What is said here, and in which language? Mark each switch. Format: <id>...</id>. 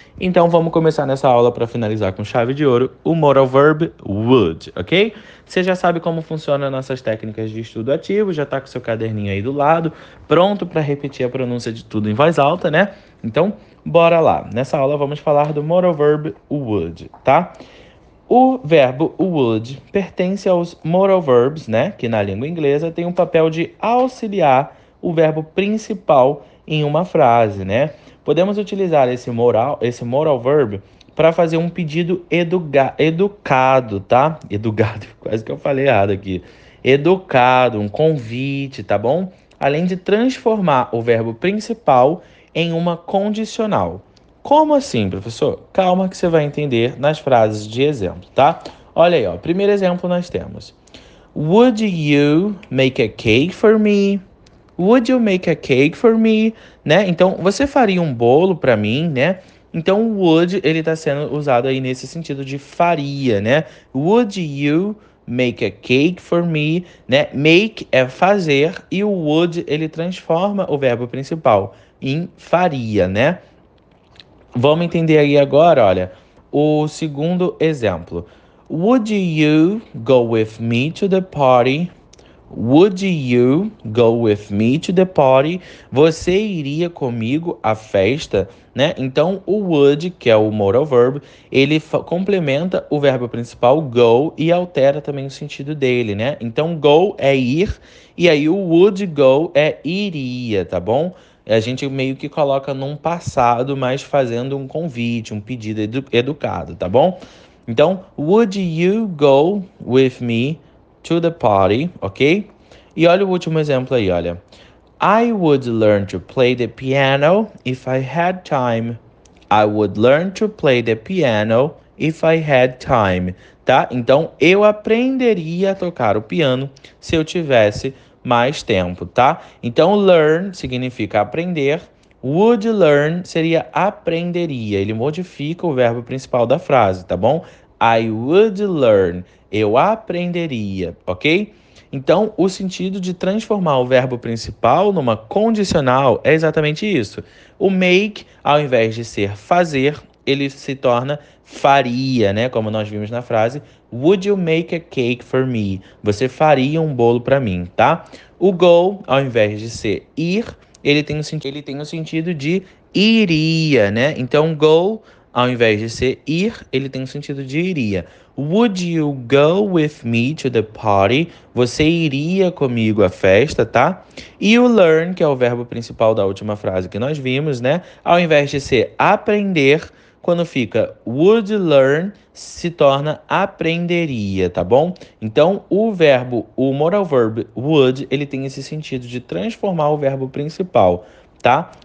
<pt>Então vamos começar nessa aula para finalizar com chave de ouro o modal verb would, ok? Você já sabe como funcionam nossas técnicas de estudo ativo, já está com seu caderninho aí do lado, pronto para repetir a pronúncia de tudo em voz alta, né? Então bora lá. Nessa aula vamos falar do modal verb would, tá? O verbo would pertence aos modal verbs, né? Que na língua inglesa tem um papel de auxiliar o verbo principal em uma frase, né? Podemos utilizar esse modal verb para fazer um pedido educado, tá? Educado, quase que eu falei errado aqui. Educado, um convite, tá bom? Além de transformar o verbo principal em uma condicional. Como assim, professor? Calma que você vai entender nas frases de exemplo, tá? Olha aí, ó. Primeiro exemplo nós temos:</pt> <en>Would you make a cake for me? Would you make a cake for me? Né?</en> <pt>Então, você faria um bolo para mim, né? Então, o would, ele está sendo usado aí nesse sentido de faria, né?</pt> <en>Would you make a cake for me? Né?</en> <pt>Make é fazer e o would, ele transforma o verbo principal em faria, né? Vamos entender aí agora, olha, o segundo exemplo.</pt> <en>Would you go with me to the party? Would you go with me to the party?</en> <pt>Você iria comigo à festa, né? Então, o would, que é o modal verb, ele complementa o verbo principal go e altera também o sentido dele, né? Então, go é ir e aí o would go é iria, tá bom? A gente meio que coloca num passado, mas fazendo um convite, um pedido educado, tá bom? Então,</pt> <en>would you go with me to the party, ok?</en> <pt>E olha o último exemplo aí, olha.</pt> <en>I would learn to play the piano if I had time. I would learn to play the piano if I had time, tá?</en> <pt>Então, eu aprenderia a tocar o piano se eu tivesse mais tempo, tá? Então, learn significa aprender. Would learn seria aprenderia. Ele modifica o verbo principal da frase, tá bom?</pt> <en>I would learn.</en> <pt>Eu aprenderia, ok? Então, o sentido de transformar o verbo principal numa condicional é exatamente isso. O make, ao invés de ser fazer, ele se torna faria, né? Como nós vimos na frase,</pt> <en>would you make a cake for me?</en> <pt>Você faria um bolo para mim, tá? O go, ao invés de ser ir, ele tem o sentido de iria, né? Então, go, ao invés de ser ir, ele tem o sentido de iria.</pt> <en>Would you go with me to the party?</en> <pt>Você iria comigo à festa, tá? E o learn, que é o verbo principal da última frase que nós vimos, né? Ao invés de ser aprender, quando fica would learn, se torna aprenderia, tá bom? Então, o verbo, o modal verb would, ele tem esse sentido de transformar o verbo principal, tá?</pt>